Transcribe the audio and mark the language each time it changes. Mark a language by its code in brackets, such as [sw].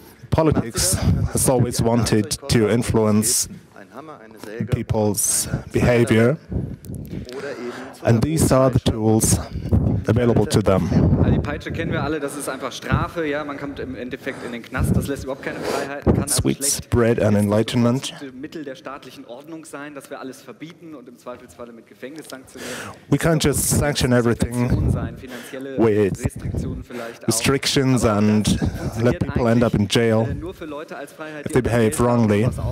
[en] Politics has always wanted to influence people's behavior, and these are the tools available to them. [de] Die Peitsche kennen wir alle, das ist einfach Strafe, ja, man kommt im Endeffekt in den Knast, das lässt überhaupt keine Freiheit. [en] Sweet bread and enlightenment. [de] Mittel der staatlichen Ordnung sein, dass wir alles verbieten und im Zweifelsfalle mit Gefängnis sanktionieren. [en] We can't just sanction everything with restrictions and let people end up in jail if they behave wrongly.